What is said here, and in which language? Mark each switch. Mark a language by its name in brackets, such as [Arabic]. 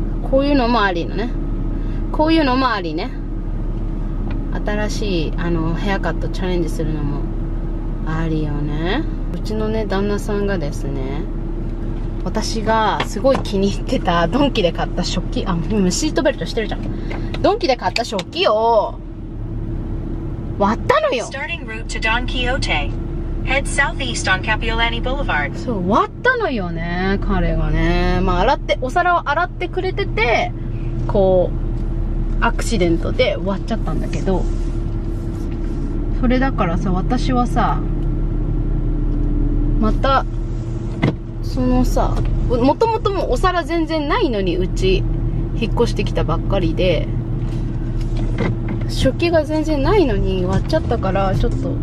[Japanese] こういうのもありのね、こういうのもありね、新しいあのヘアカットチャレンジするのもありよね。うちのね旦那さんがですね、私がすごい気に入ってたドンキで買った食器、あ、今シートベルトしてるじゃん、ドンキで買った食器を割ったのよ。 [English] Starting route to Don Quixote. Head southeast on Capilani Boulevard. [Japanese] そう、割ったのよね彼がね。まあ洗って、お皿を洗ってくれてて、こうアクシデントで割っちゃったんだけど、それだからさ、私はさまたそのさ、もともともお皿全然ないのに、うち引っ越してきたばっかりで食器が全然ないのに割っちゃったから、ちょっと